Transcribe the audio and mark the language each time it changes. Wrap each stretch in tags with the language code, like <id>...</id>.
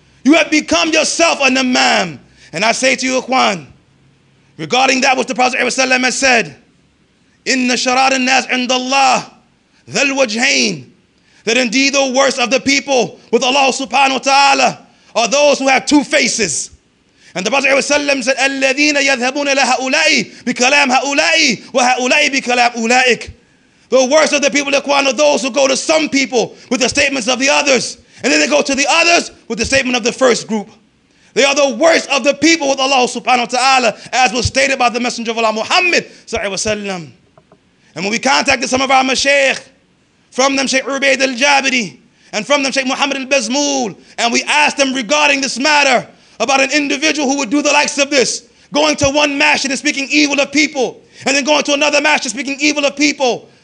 <en>You have become yourself an imam. And I say to you, Ikhwan, regarding that which the Prophet ﷺ has said,</en> <ar>إِنَّ شَرَارَ النَّاسِ عِنْدَ اللَّهِ ذَا الْوَجْهَيْنِ,</ar> <en>that indeed the worst of the people with Allah subhanahu wa ta'ala are those who have two faces. And the Prophet ﷺ said,</en> <ar>الَّذِينَ يَذْهَبُونَ لَهَؤُلَاءِ بِكَلَامْ هَؤُلَاءِ وَهَؤُلَاءِ بِكَلَامْ أُولَائِكَ.</ar> <en>The worst of the people, Ikhwan, are those who go to some people with the statements of the others, and then they go to the others with the statement of the first group. They are the worst of the people with Allah subhanahu wa ta'ala, as was stated by the Messenger of Allah Muhammad sallallahu alayhi wa sallam. And when we contacted some of our mashaykh, from them Shaykh Ubaid al-Jabiri, and from them Shaykh Muhammad al-Bazmul, and we asked them regarding this matter, about an individual who would do the likes of this, going to one masjid and speaking evil of people, and then going to another masjid speaking evil of people.</en>